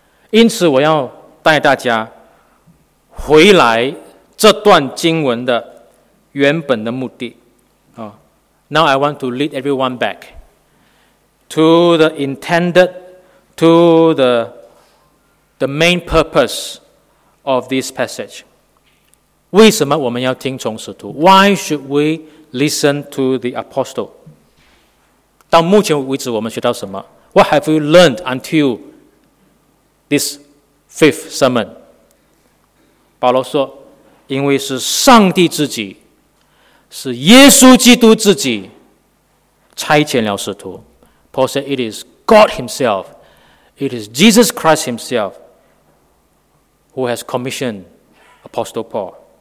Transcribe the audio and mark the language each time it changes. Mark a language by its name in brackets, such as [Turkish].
[Chinese] 因此我要带大家回来这段经文的原本的目的。 [English] Now I want to lead everyone back to the intended, to the main purpose of this passage. [Chinese] 为什么我们要听从使徒? [English] Why should we listen to the apostle? [Chinese] 到目前为止我们学到什么? [English] What have we learned until this fifth sermon? [Chinese] 保罗说,因为是上帝自己,是耶稣基督自己差遣了使徒。 [English] Paul said, it is God himself, it is Jesus Christ himself who has commissioned Apostle Paul.